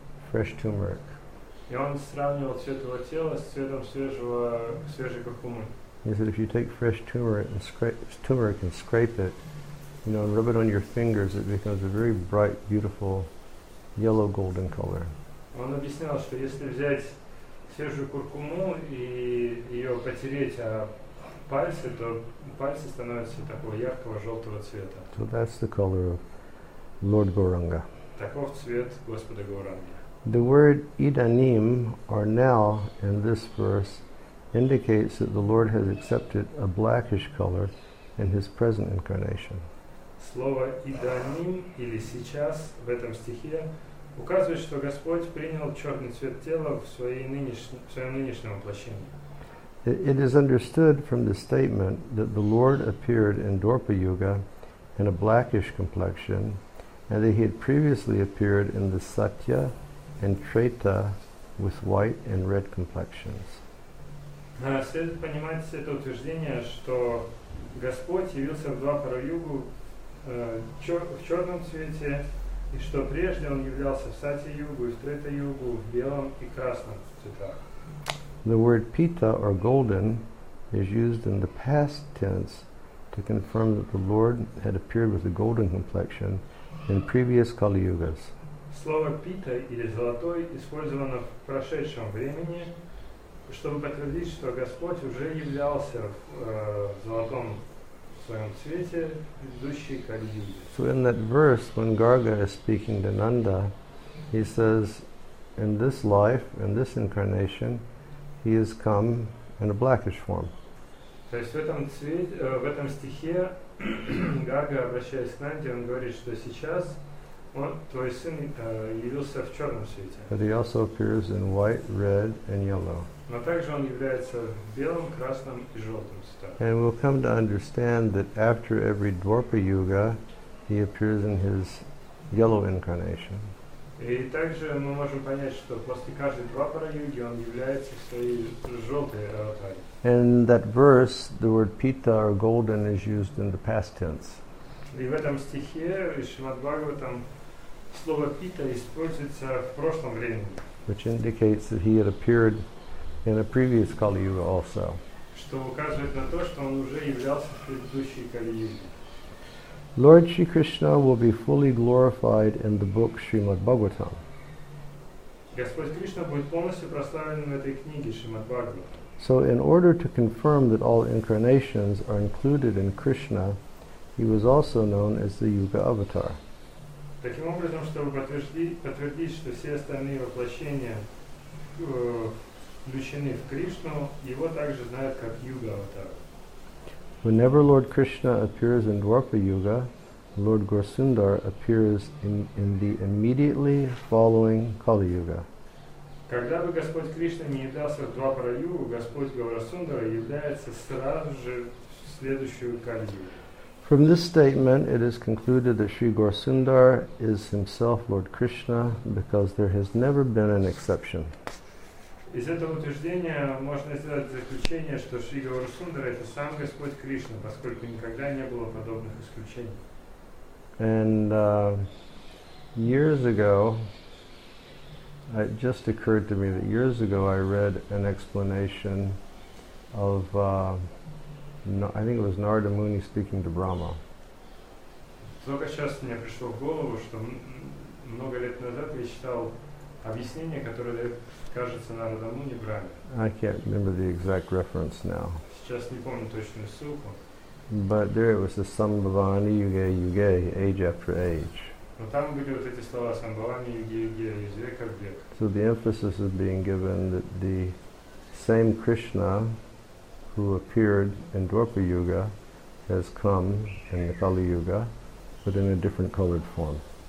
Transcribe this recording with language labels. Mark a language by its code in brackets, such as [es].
[en] fresh turmeric. [ru] И он сравнивал цвет его тела с цветом свежей куркумы. [en] He said, if you take fresh turmeric and scrape it, you know, and rub it on your fingers, it becomes a very bright, beautiful yellow golden color. [ru] Он объяснял, что если взять свежую куркуму и ее потереть о пальцы, то пальцы становятся такого яркого желтого цвета. [en] So that's the color of Lord Gauranga. [ru] Таков цвет Господа Гауранги. [en] The word idanim, or now, in this verse, indicates that the Lord has accepted a blackish color in his present incarnation. [ru] Слово идоним или сейчас в этом стихе указывает, что Господь принял черный цвет тела в своем нынешнем воплощении. [en] It is understood from the statement that the Lord appeared in Dwarpa Yuga in a blackish complexion, and that he had previously appeared in the Satya and Treta with white and red complexions. [ru] Следует понимать это утверждение, что Господь явился в Двапара-югу в черном цвете, и что прежде он являлся в Сати-югу и в Трета-югу в белом и красном цветах. [en] The word pita, or golden, is used in the past tense to confirm that the Lord had appeared with a golden complexion in previous Kali-yugas. [ru] Слово pita, или золотой, использовано в прошедшем времени, чтобы подтвердить, что Господь уже являлся в золотом своем цвете предыдущей Кали-юги. [en] So in that verse, when Garga is speaking to Nanda, he says, in this life, in this incarnation, he has come in a blackish form. [ru] То есть в этом стихе Гарга, обращаясь к Нанде, он говорит, что сейчас твой сын явился в черном свете. [en] But he also appears in white, red, and yellow. [ru] Но также он является в белом, красном и желтом цветах. [en] And we'll come to understand that after every Dwarpa Yuga, he appears in his yellow incarnation. [ru] И также мы можем понять, что после каждой Двапара Юги он является в своей желтой аватаре. [en] In that verse, the word pita or golden is used in the past tense. [ru] И в этом стихе, в Шримад-Бхагаватам, слово пита используется в прошлом времени. [en] Which indicates that he had appeared in a previous Kali Yuga also. [ru] Что указывает на то, что он уже являлся в предыдущей Kali Yuga. [en] Lord Shri Krishna will be fully glorified in the book Srimad Bhagavatam. [ru] Господь Кришна будет полностью прославлен в этой книге Шримад Бхагаватам. [en] So in order to confirm that all incarnations are included in Krishna, he was also known as the Yuga Avatar. [ru] Таким образом, чтобы подтвердить, что все остальные воплощения включены в Кришну, его также знают как Юга Аватар. [en] Whenever Lord Krishna appears in Dwarpa Yuga, Lord Gorsundar appears in the immediately following Kali Yuga. [ru] Когда бы Господь Кришна не являлся в Двапара Югу, Господь Гаурасундара является сразу же в следующую Кали Югу. [en] From this statement, it is concluded that Sri Gaurasundara is himself Lord Krishna because there has never been an exception. [ru] Из этого утверждения можно сделать заключение, что Шри Гаурасундара это сам Господь Кришна, поскольку никогда не было подобных исключений. [en] And years ago, it just occurred to me that years ago I read an explanation of, I think it was Narada Muni speaking to Brahma. [ru] Только сейчас мне пришло в голову, что много лет назад я читал объяснение, которое дает, кажется, Нарада Муни Брахме. [en] I can't remember the exact reference now. [ru] Сейчас не помню точную ссылку. [en] But there it was the [sa] Sambhavani Yuge Yuge, [en] age after age. [ru] Но там были вот эти слова [sa] Sambhavani Yuge Yuge, [ru] из века в век. [en] So the emphasis is being given that the same Krishna who appeared in Dwarpa Yuga has come in the Kali Yuga, but in a different colored form.